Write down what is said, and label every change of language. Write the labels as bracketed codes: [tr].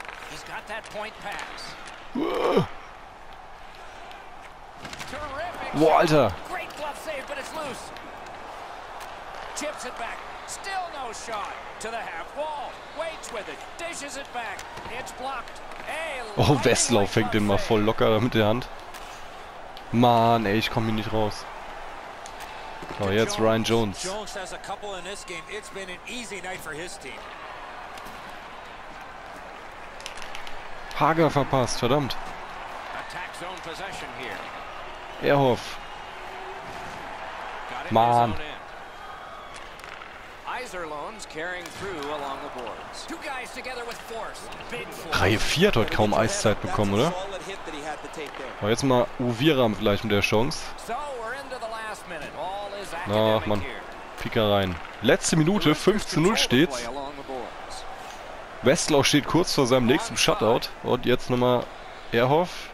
[en] He's got that point pass. [de] Whoa, Alter. [en] Great glove save, but it's loose. Chips it back. Still no shot to the half wall. Waits with it. Dishes it back. It's blocked. [de] Oh, Westlau fängt den mal voll locker mit der Hand. Mann, ey, ich komme hier nicht raus. Oh, jetzt Ryan Jones. [en] Jones has a couple in this game. It's been an easy night for his team. [de] Hager verpasst, verdammt. [en] Attack zone possession here. [de] Erhoff. Mann. [en] Iserlohn's carrying through along the boards. Two guys together with force. [de] Reihe 4 hat heute kaum Eiszeit bekommen, oder? Aber jetzt mal Uvira vielleicht mit der Chance. Ach man, Picker rein. Letzte Minute, 5:0 steht's. Westlau steht kurz vor seinem nächsten Shutout. Und jetzt nochmal Erhoff.